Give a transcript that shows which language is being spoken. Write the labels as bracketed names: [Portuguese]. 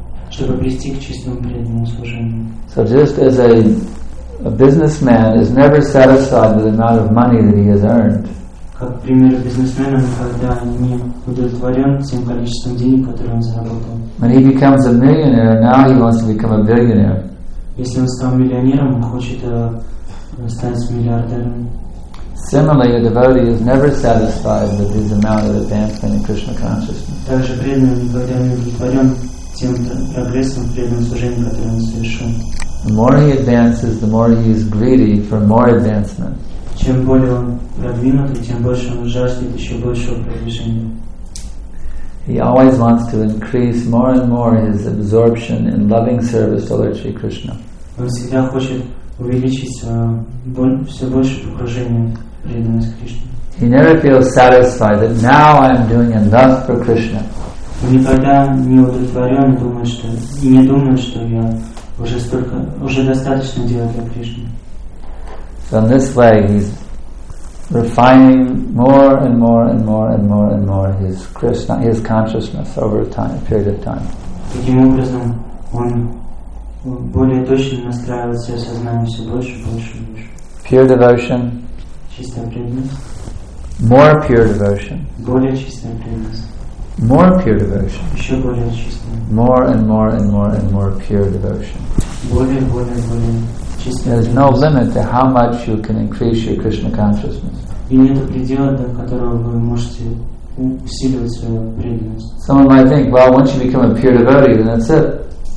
[English] So just as a businessman is never satisfied with the amount of money that he has earned, [Russian] как пример бизнесмена, когда не удовлетворен тем количеством денег, которые он заработал. [English] When he becomes a millionaire, now he wants to become a billionaire. [Russian] Если он стал миллионером, он хочет стать миллиардером. [English] Similarly, a devotee is never satisfied with his amount of advancement in Krishna consciousness. [Russian] Также преданный никогда не удовлетворен тем прогрессом в преданном служении, который он совершил. [English] The more he advances, the more he is greedy for more advancement. [Russian] Чем более он продвинут, и тем больше он жаждет еще большего продвижения. [English] He always wants to increase more and more his absorption in loving service to Lord Shri Krishna. [Russian] Он всегда хочет увеличить все больше погружения в преданность Кришне. [English] He never feels satisfied that now I am doing enough for Krishna. [Russian] Он никогда не удовлетворен, думает, что и не думает, что я уже столько, уже достаточно делаю для Кришны. [English] So in this way, he's refining more and more and more and more and more his Krishna, his consciousness over a time, a period of time. [Russian] Таким образом, он более точно настраивает свое сознание все больше, больше, больше. [English] Pure devotion. [Russian] Чистая преданность. [English] More pure devotion. [Russian] Более чистая преданность. [English] More pure devotion. [Russian] Еще более чистая. [English] More and more and more and more pure devotion. [Russian] Более, более, более. [English] There is no limit to how much you can increase your Krishna consciousness. Someone might think, well, once you become a pure devotee, then that's it.